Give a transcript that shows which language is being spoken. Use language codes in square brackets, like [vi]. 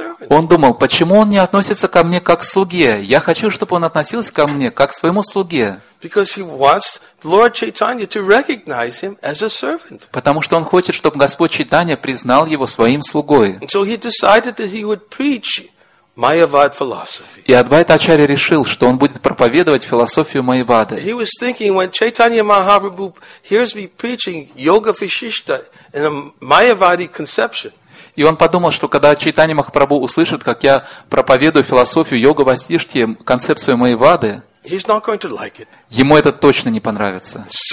[ru] Он думал, почему он не относится ко мне как к слуге? Я хочу, чтобы он относился ко мне как к своему слуге. [en] Because he wants Lord Chaitanya to recognize him as a servant. [ru] Потому что он хочет, чтобы Господь Чайтанья признал его своим слугой. [en] So he decided that he would preach Mayavad philosophy. [ru] И Адвайта Ачарья решил, что он будет проповедовать философию Майявады. [en] He was thinking when Chaitanya Mahaprabhu hears me preaching Yoga Vishishta in a Mayavadi conception. [ru] И он подумал, что когда Чайтанья Махапрабху услышит, как я проповедую философию йога Васиштхи, концепцию Майявады, ему это точно не понравится.